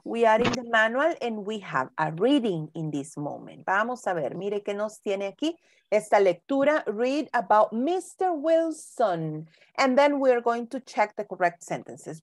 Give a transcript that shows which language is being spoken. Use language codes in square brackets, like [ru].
[en] We are in the manual and we have a reading in this moment. [es] Vamos a ver, mire qué nos tiene aquí esta lectura. [en] Read about Mr. Wilson. And then we are going to check the correct sentences.